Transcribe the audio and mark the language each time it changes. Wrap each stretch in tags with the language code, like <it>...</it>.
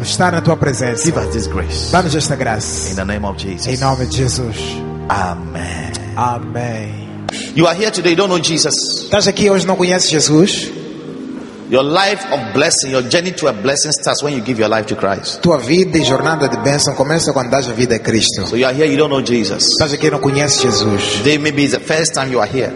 <pt>Estar na tua presença.</pt> <en>Give us this grace.</en> <pt>Dá-nos esta graça.</pt> <en>In the name of Jesus.</en> <pt>Em nome de Jesus.</pt> <en>Amen.</en> <pt>Amém.</pt> <en>You are here today, don't know Jesus.</en> <pt>Estás aqui hoje, não conheces Jesus?</pt> <en>Your life of blessing, your journey to a blessing starts when you give your life to Christ.</en> <pt>Tua vida e jornada de bênção começa quando dás a vida a Cristo.</pt> <en>So you are here, you don't know Jesus.</en> <pt>Estás aqui, não conheces Jesus.</pt> <en>Today maybe it's the first time you are here.</en>